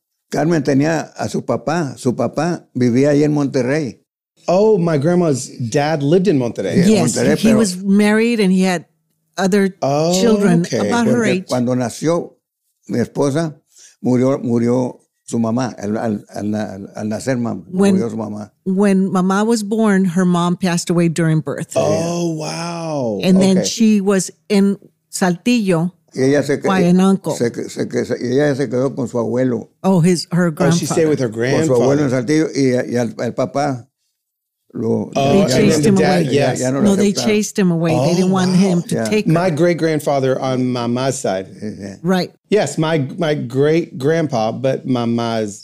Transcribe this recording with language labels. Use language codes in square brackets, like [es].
[es] Carmen tenía a su papá. Su papá vivía ahí en Monterrey. [en] Oh, my grandma's dad lived in Monterrey. Yes, he was married and he had other children about her age. [es] Cuando nació mi esposa, murió su mamá al nacer murió su mamá. [en] When mamá was born, her mom passed away during birth. Oh, wow. And then she was in Saltillo by an uncle. [es] Ella se quedó con su abuelo. [en] Oh, her grandfather. Oh, she stayed with her grandfather. [es] Con su abuelo en Saltillo y el papá lo [en] chased him away. Yes. No, they chased him away. They didn't want him to take her. My great-grandfather on mamá's side. Right. Yes, my great grandpa, but mama's